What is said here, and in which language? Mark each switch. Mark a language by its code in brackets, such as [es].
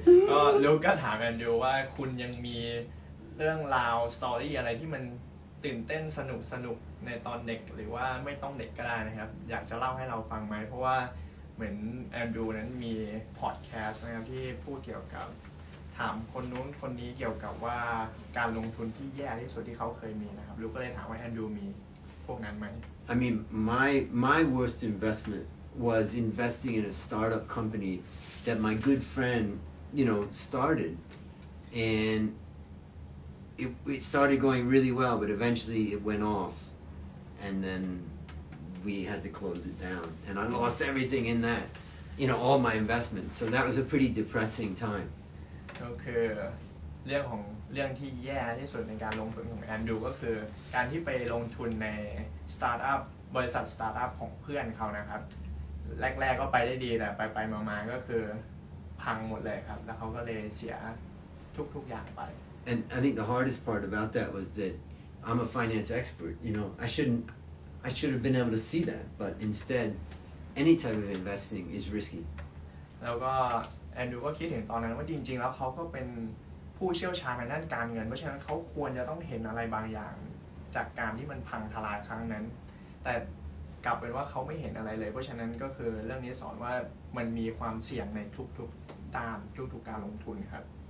[th] ก็ลูกก็ถามแอนดูว่าคุณยังมีเรื่องราวสตอรี่อะไรที่มันตื่นเต้นสนุกในตอนเด็กหรือว่าไม่ต้องเด็กก็ได้นะครับอยากจะเล่าให้เราฟังไหมเพราะว่าเหมือนแอนดูนั้นมีพอดแคสต์นะครับที่พูดเกี่ยวกับถามคนนู้นคนนี้เกี่ยวกับว่าการลงทุนที่แย่ที่สุดที่เขาเคยมีนะครับลูกก็เลยถามว่าแอนดูมีพวกนั้นไหม [en] I mean my worst investment was investing in a startup companyThat my good friend, you know, started, and it started going really well, but eventually it went off, and then we had to close it down, and I lost everything in that, you know, all my investments. So that was a pretty depressing time. [th] Okay, เรื่องที่แย่ที่สุดในการลงทุนของแอนดูก็คือการที่ไปลงทุนในสตาร์ทอัพบริษัทสตาร์ทอัพของเพื่อนเขานะครับแรกๆก็ไปได้ดีแต่ไปๆมาๆก็คือพังหมดเลยครับแล้วเขาก็เลยเสียทุกๆอย่างไป [en] And I think the hardest part about that was that I'm a finance expert, you know. I should have been able to see that, but instead any type of investing is risky. [th] แล้วก็แอนดูก็คิดถึงตอนนั้นว่าจริงๆแล้วเขาก็เป็นผู้เชี่ยวชาญในด้านการเงินเพราะฉะนั้นเขาควรจะต้องเห็นอะไรบางอย่างจากการที่มันพังทลายครั้งนั้นแต่กลับเป็นว่าเขาไม่เห็นอะไรเลยเพราะฉะนั้นก็คือเรื่องนี้สอนว่ามันมีความเสี่ยงในทุกๆด้านทุกๆการลงทุนครับ